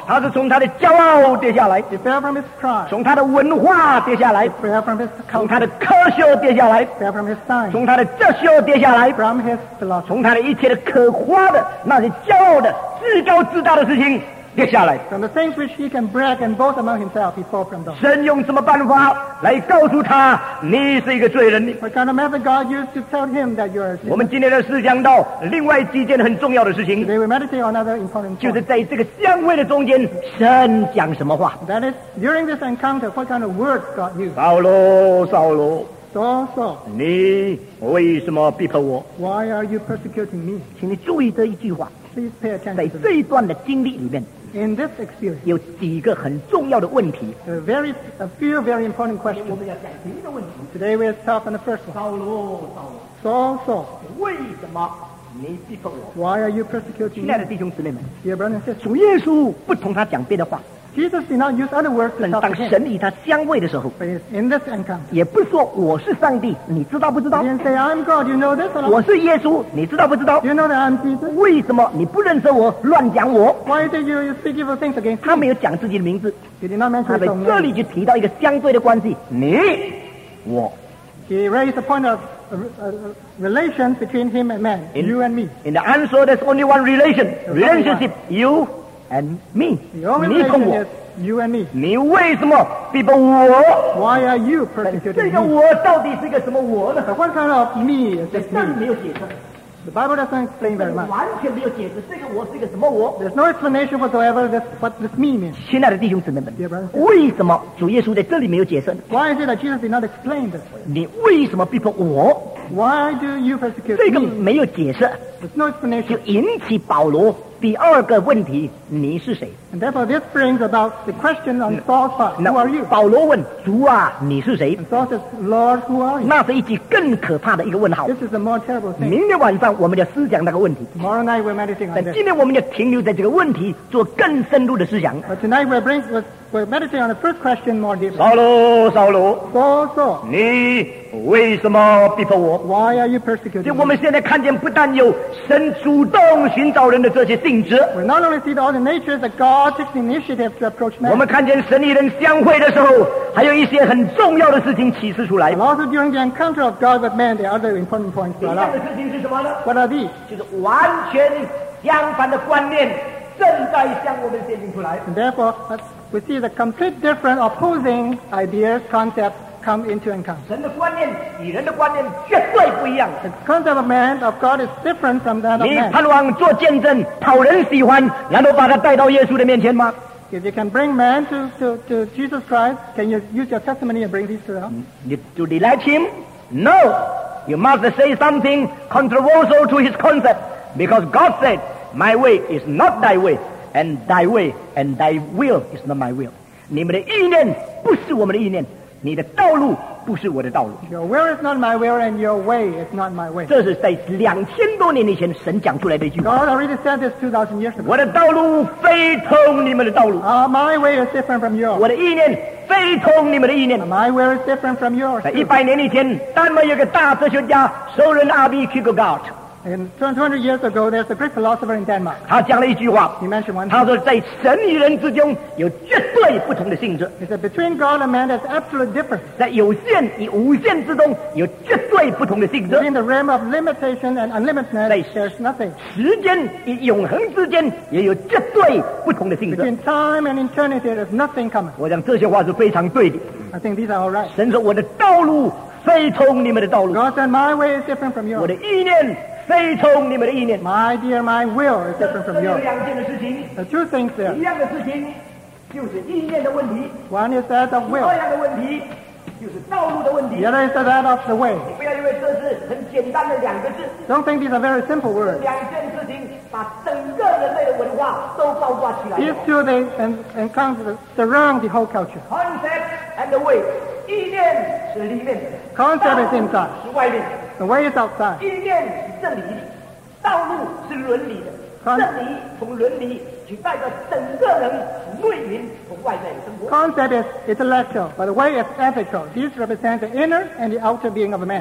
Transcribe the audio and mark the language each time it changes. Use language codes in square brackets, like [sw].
[zh] 他是从他的骄傲跌下来。 [en] He fell from his pride. [zh] 从他的文化跌下来。 [en] He fell from his culture. [zh] 从他的科学跌下来。 [en] He fell from his science. [zh] 从他的哲学跌下来。 [en] From his philosophy. [zh] 从他的一切的可夸的那些骄傲的至高至大的事情。 [en] From the things which he can brag and boast among himself, he fall from those. [zh] 神用什么办法来告诉他你是一个罪人？ [en] What kind of method God used to tell him that you are a sinner? [zh] 我们今天的事讲到另外几件很重要的事情。 [en] Today we meditate on another important point. [zh] 就是在这个相会的中间，神讲什么话？ [en] That is, during this encounter, what kind of words God used? [zh] 扫罗，扫罗。你为什么逼迫我？ [en] Why are you persecuting me? [zh] 请你注意这一句话。 [en] Please pay attention. [zh] 在这一段的经历里面。 [en] In this experience, [zh] 有几个很重要的问题。 [en] A few very important questions. Today we will start on the first one. [zh] 扫罗，扫罗。为什么你逼迫我？ [en] Why are you persecuting me? [zh] 亲爱的弟兄姊妹们。 [en] Dear brothers and sisters. [zh] 主耶稣不同他讲别的话。 [en] Jesus did not use other words to talk to him. [zh] 当神与他相会的时候。 [en] But in this encounter. [zh] 也不说我是上帝，你知道不知道？ [en] He didn't say, I'm God, you know this or not? [zh] 我是耶稣，你知道不知道？ [en] You know that I'm Jesus? [zh] 为什么你不认识我，乱讲我？ [en] Why did you speak evil things against [zh] me? 他没有讲自己的名字。 [en] He did not mention his own name. [zh] 他在这里就提到一个相对的关系，你，我。 [en] He raised the point of relation between him and man, you and me. In the answer, there's only one relation. Relationship, you and me. The only thing is you and me. [zh] 你为什么逼迫我？ [en] Why are you persecuting me? [zh] 这个我到底是一个什么我呢？ [en] But what kind of me is this me? [zh] 但没有解释。 [en] The Bible doesn't explain very much. [zh] 完全没有解释这个我是一个什么我。 [en] There's no explanation whatsoever this, what this meaning means. [zh] 亲爱的弟兄姊妹们， [en] Dear brothers, [zh] 为什么主耶稣在这里没有解释？ [en] Why is it that Jesus did not explain this? [zh] 你为什么逼迫我？ [en] Why do you persecute me? [zh] 这个没有解释。 [en] There's no explanation. [zh] 就引起保罗第二个问题，你是谁？ [en] And therefore this brings about the question on Saul's part, who are you? [zh] 保罗问主啊，你是谁？ [en] And Saul says, Lord, who are you? [zh] 那是一句更可怕的一个问号。 [en] This is a more terrible thing. [zh] 明天晚上我们就思想那个问题。 [en] Tomorrow night we're meditating on this. [zh] 但今天我们就停留在这个问题做更深入的思想。 [en] But tonight we're meditating on the first question more deeply. [zh] 扫罗，扫罗。 [en] Saul, Saul. [zh] 你为什么逼迫我？ [en] Why are you persecuting me? [zh] 就我们现在看见不但有神主动寻找人的这些性质。 [en] We not only see all the natures that God takes the initiative to approach man. [zh] 我们看见神与人相会的时候，还有一些很重要的事情启示出来。 [en] And also during the encounter of God with man, there are other important points. [zh] 第二个事情是什么呢？ [en] What are these? [zh] 就是完全相反的观念正在向我们显明出来。 [en] And therefore, we see the complete different opposing ideas, concepts. Come into encounter. The concept of man of God is different from that of man. [zh] 你盼望做见证，讨人喜欢，然后把他带到耶稣的面前吗？ [en] If you can bring man to Jesus Christ, can you use your testimony and bring this to him? To delight him? No. You must say something controversial to his concept, because God said, "My way is not thy way, And thy way and thy will is not my will. [zh] 你们的意念不是我们的意念，你的道路不是我的道路。 [en] Your will is not my will, and your way is not my way. [zh] 这是在两千多年以前神讲出来的一句。 [en] God already said this 2,000 years ago. [zh] 我的道路非同你们的道路。 [en] My way is different from yours. [zh] 我的意念非同你们的意念。 [en] My will is different from yours. [zh] 在一百年以前，丹麦有个大哲学家，首任阿比基格加尔。 [en] And 200 years ago, there's a great philosopher in Denmark. [zh] 他讲了一句话。 [en] He mentioned one. [zh] 他说在神与人之间有绝对不同的性质。 [en] He said between God and man, there's absolute difference. [zh] 在有限与无限之中有绝对不同的性质。 [en] Within the realm of limitation and unlimitedness, there's nothing. [zh] 时间与永恒之间也有绝对不同的性质。 [en] Between time and eternity, there's nothing common. [zh] 我想这些话是非常对的。 [en] I think these are all right. [zh] 神说我的道路非同你们的道路。 [en] God said my way is different from yours. [zh] 我的意念。非同你们的意念。 [en] My dear, my will is different from yours. [zh] 这两件的事情。 [en] The two things there. [zh] 一样的事情，就是意念的问题。 [en] One is that of will. [zh] 同样的问题，就是道路的问题。 [en] The other is that of the way. [zh] 你不要以为这是很简单的两个字。 [en] Don't think these are very simple words. [zh] 两件事情把整个人类的文化都包括起来。 [en] These two things encompass surround the whole culture. Concept and the way. [zh] 意念是里面的。 [en] Concept is inside. [zh] 是外面。 [en] The way is outside. [zh] 意念是理的，道路是伦理的。真理从伦理取代着整个人内面和外在的生活。 [en] Concept is intellectual, but the way is ethical. These represent the inner and the outer being of a man.